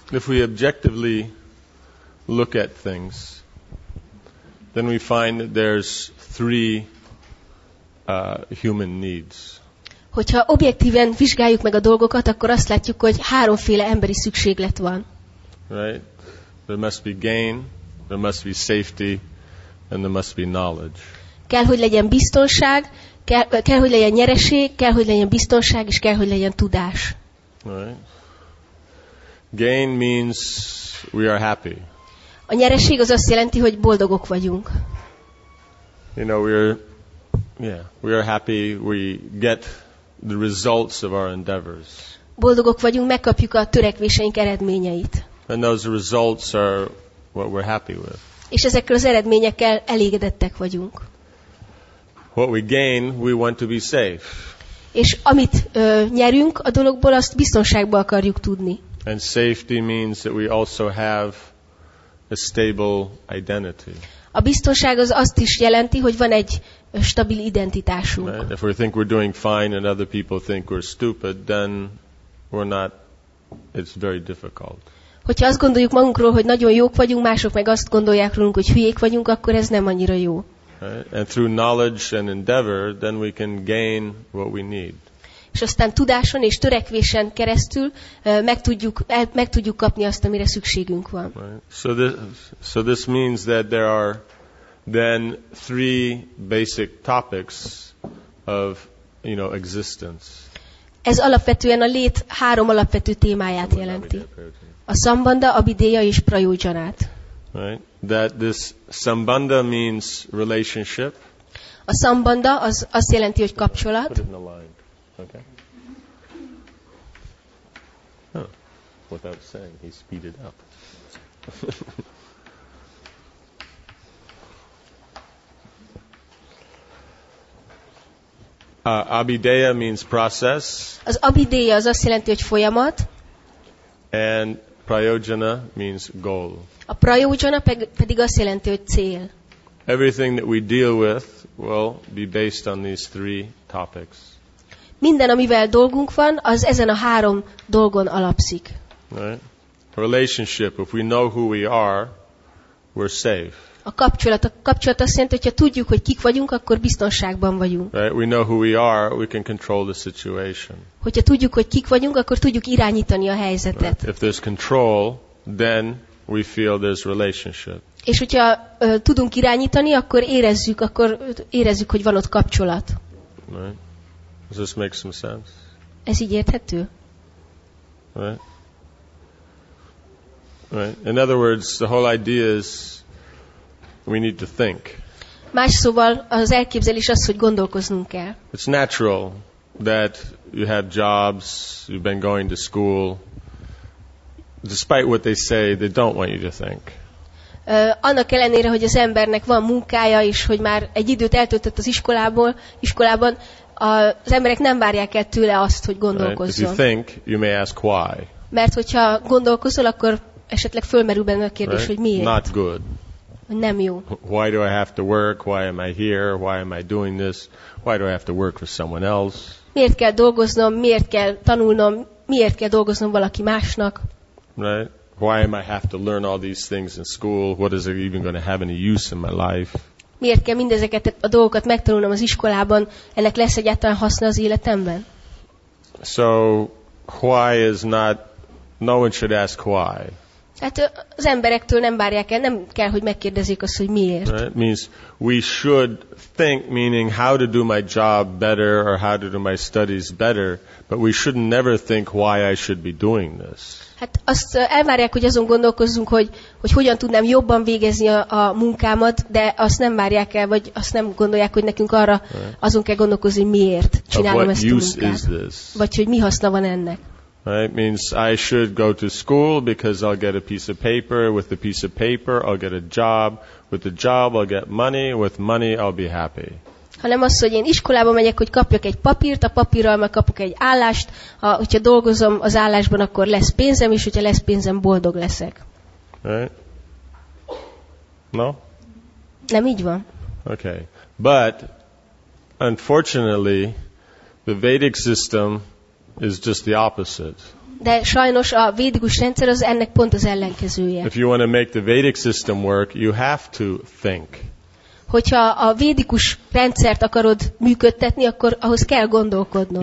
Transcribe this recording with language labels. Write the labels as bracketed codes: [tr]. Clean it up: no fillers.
[en] If we objectively look at things, then we find that there's three human needs. [hu] Hogyha objektíven vizsgáljuk meg a dolgokat, akkor azt látjuk, hogy háromféle emberi szükséglet van. [en] Right? There must be gain, there must be safety, and there must be knowledge. [hu] Kell, hogy legyen biztonság, kell, hogy legyen nyereség, kell, hogy legyen biztonság, és kell, hogy legyen tudás. [en] Right? Gain means we are happy. [hu] A nyereség az azt jelenti, hogy boldogok vagyunk. [en] You know, we are happy, we get the results of our endeavors. [hu] Boldogok vagyunk, megkapjuk a törekvéseink eredményeit. [en] And those results are what we're happy with. [hu] És ezekkel az eredményekkel elégedettek vagyunk. [en] What we gain, we want to be safe. [hu] És amit nyerünk a dologból, azt biztonságba akarjuk tudni. [en] And safety means that we also have a stable identity. [hu] A biztonság az azt is jelenti, hogy van egy stabil identitásunk. [en] Right? If we think we're doing fine and other people think we're stupid, then we're not. It's very difficult. [hu] Hogyha azt gondoljuk magunkról, hogy nagyon jók vagyunk, mások meg azt gondolják rólunk, hogy hülyék vagyunk, akkor ez nem annyira jó. [en] Right? And through knowledge and endeavor, then we can gain what we need. [hu] És aztán tudáson és törekvésen keresztül meg tudjuk kapni azt, amire szükségünk van. [en] Right. So this means that there are then three basic topics of, you know, existence. [hu] Ez alapvetően a lét három alapvető témáját jelenti. A sambandha, abhidheya és prayojanát. [en] Right. That this sambandha means relationship. [hu] A sambandha az azt jelenti, hogy kapcsolat. [en] Okay. Huh. Without saying, he speeded up. Abhidheya means process. [hu] Az abhidheya az azt jelenti, hogy folyamat. [en] And prayojana means goal. [hu] A prayojana pedig azt jelenti, hogy cél. [en] Everything that we deal with will be based on these three topics. [hu] Minden, amivel dolgunk van, az ezen a három dolgon alapszik. [en] Right. Relationship. If we know who we are, we're safe. [hu] A kapcsolat azt jelenti, hogyha tudjuk, hogy kik vagyunk, akkor biztonságban vagyunk. [en] Right. We know who we are, we can control the situation. [hu] Hogyha tudjuk, hogy kik vagyunk, akkor tudjuk irányítani a helyzetet. [en] Right. If there's control, then we feel there's relationship. [hu] És hogyha tudunk irányítani, akkor érezzük, hogy van ott kapcsolat. [en] Right. Does this make some sense? [hu] Ez így érthető? [en] Right. In other words, the whole idea is we need to think. [hu] Más szóval az elképzelés az, hogy gondolkoznunk kell. [en] It's natural that you have jobs, you've been going to school. Despite what they say, they don't want you to think. [hu] Annak ellenére, hogy az embernek van munkája is, hogy már egy időt eltöltött az iskolában, az emberek nem várják el tőle azt, hogy gondolkozzon. [en] Right. If you think, you may ask why. [hu] Mert hogyha gondolkozol, akkor esetleg fölmerül benne a kérdés, [en] right? [hu] Hogy miért. [en] Not good. [hu] Nem jó. [en] Why do I have to work? Why am I here? Why am I doing this? Why do I have to work for someone else? [hu] Miért kell dolgoznom? Miért kell tanulnom? Miért kell dolgoznom valaki másnak? [en] Right. Why am I have to learn all these things in school? What is it even going to have any use in my life? [hu] Miért kell mindezeket a dolgokat megtanulnom az iskolában? Ennek lesz egyáltalán haszna az életemben? [en] So why is not? No one should ask why. [hu] Hát az emberektől nem várják el, nem kell, hogy megkérdezzék azt, hogy miért. [en] Right? Means we should think, meaning how to do my job better or how to do my studies better, but we should never think why I should be doing this. [hu] Hát azt elvárják, hogy azon gondolkozzunk, hogy hogyan tudnám jobban végezni a munkámat, de azt nem várják el, vagy azt nem gondolják, hogy nekünk arra azon kell gondolkozni, hogy miért csinálom ezt a munkát. Vagy hogy mi haszna van ennek. [en] Right? Means I should go to school because I'll get a piece of paper. With the piece of paper, I'll get a job. With the job, I'll get money. With money, I'll be happy. [hu] Hanem az, hogy én iskolába megyek, hogy kapjak egy papírt, a papírral meg kapok egy állást, hogyha dolgozom az állásban, akkor lesz pénzem, és hogyha lesz pénzem, boldog leszek. [en] Right? No? [hu] Nem így van. [en] Okay. But, unfortunately, the Vedic system is just the opposite. [hu] De sajnos a védikus rendszer az ennek pont az ellenkezője. [en] If you want to make the Vedic system work, you have to think. [hu] Hogyha a védikus rendszert akarod működtetni, akkor ahhoz kell gondolkodnod.